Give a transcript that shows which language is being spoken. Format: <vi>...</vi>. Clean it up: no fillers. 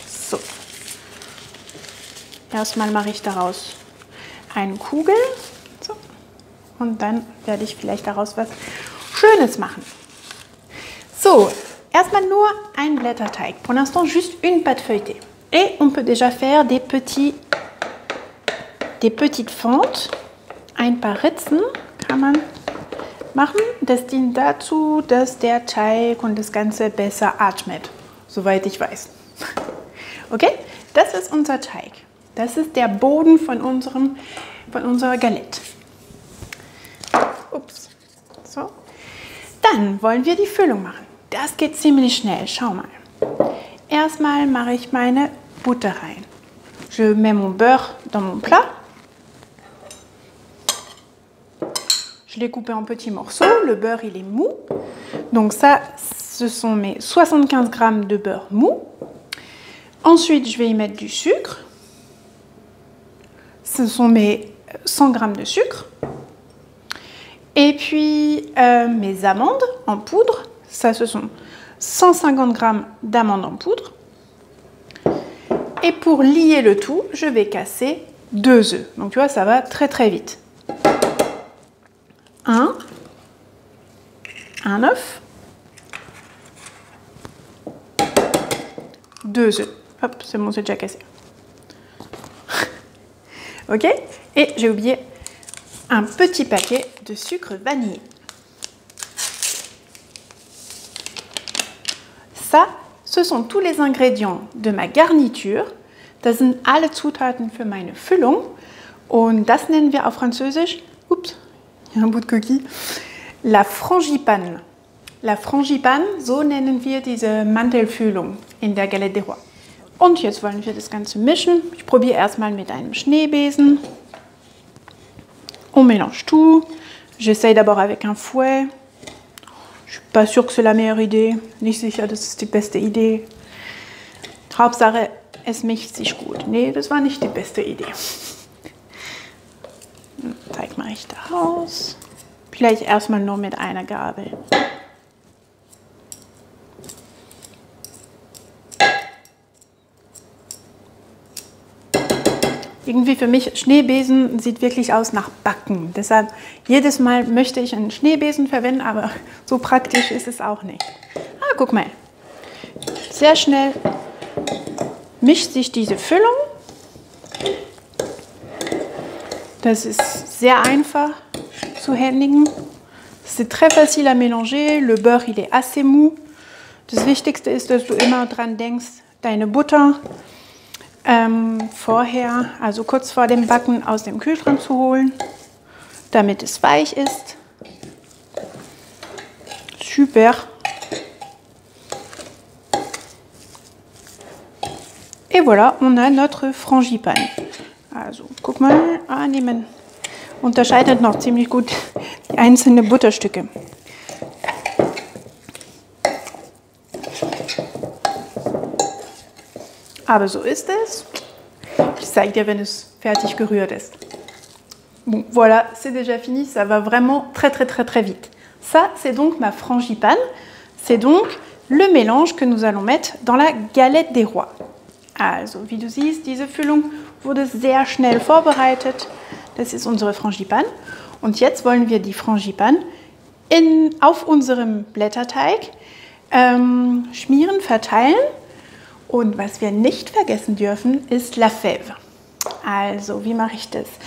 <de>So. Erstmal mache ich daraus eine Kugel. So. Und dann werde ich vielleicht daraus was Schönes machen. So, erstmal nur ein Blätterteig.</de> <fr>Pour l'instant, juste une pâte feuilletée. Et on peut déjà faire des petites fentes.</fr> <de>Ein paar Ritzen kann man machen. Das dient dazu, dass der Teig und das Ganze besser atmet. Soweit ich weiß. Okay, das ist unser Teig. Das ist der Boden von unserer Galette. Ups. So. Dann wollen wir die Füllung machen. Das geht ziemlich schnell. Schau mal. Erstmal mache ich meine Butter rein.</de> <fr>Je mets mon beurre dans mon plat. Je l'ai coupé en petits morceaux. Le beurre, il est mou. Donc ça, ce sont mes 75 grammes de beurre mou. Ensuite, je vais y mettre du sucre. Ce sont mes 100 grammes de sucre. Et puis, mes amandes en poudre. Ça, ce sont 150 grammes d'amandes en poudre. Et pour lier le tout, je vais casser 2 œufs. Donc, tu vois, ça va très, très vite. Un œuf. 2 œufs. Hop, c'est bon, c'est déjà cassé. OK ? Et j'ai oublié un petit paquet de sucre vanillé. Ça, ce sont tous les ingrédients de ma garniture.</fr> <de>Das sind alle Zutaten für meine Füllung. Und das nennen wir auf Französisch,</de> <fr>oups, il y a un bout de coquille, la frangipane.</fr> <de>La frangipane, so nennen wir diese Mantelfüllung in der Galette des Rois. Und jetzt wollen wir das Ganze mischen. Ich probiere erstmal mit einem Schneebesen.</de> <fr>On mélange tout. J'essaye d'abord avec un fouet. Je suis pas sûre que c'est la meilleure idée.</fr> <de>Nicht sicher, das ist die beste Idee. Hauptsache, es mischt sich gut. Nee, das war nicht die beste Idee. Teig mache ich da raus. Vielleicht erstmal nur mit einer Gabel. Irgendwie für mich, Schneebesen sieht wirklich aus nach Backen. Deshalb, jedes Mal möchte ich einen Schneebesen verwenden, aber so praktisch ist es auch nicht. Ah, guck mal. Sehr schnell mischt sich diese Füllung. Das ist sehr einfach zu handigen.</de> <fr>C'est très facile à mélanger. Le beurre, il est assez mou.</fr> <de>Das Wichtigste ist, dass du immer dran denkst, deine Butter vorher, also kurz vor dem Backen, aus dem Kühlschrank zu holen, damit es weich ist. Super.</de> <fr>Et voilà, on a notre Frangipane.</fr> <de>Also, guck mal. Ah, nee, man unterscheidet noch ziemlich gut die einzelnen Butterstücke. Aber so ist es. Ich zeig dir, wenn es fertig gerührt ist.</de> <fr>Bon, voilà, c'est déjà fini. Ça va vraiment très, très, très, très vite. Ça, c'est donc ma Frangipane. C'est donc le mélange que nous allons mettre dans la galette des rois.</fr> <de>Also, wie du siehst, diese Füllung wurde sehr schnell vorbereitet. Das ist unsere Frangipane. Und jetzt wollen wir die Frangipane auf unserem Blätterteig schmieren, verteilen. Und was wir nicht vergessen dürfen, ist la fève. Also, wie mache ich das?</de>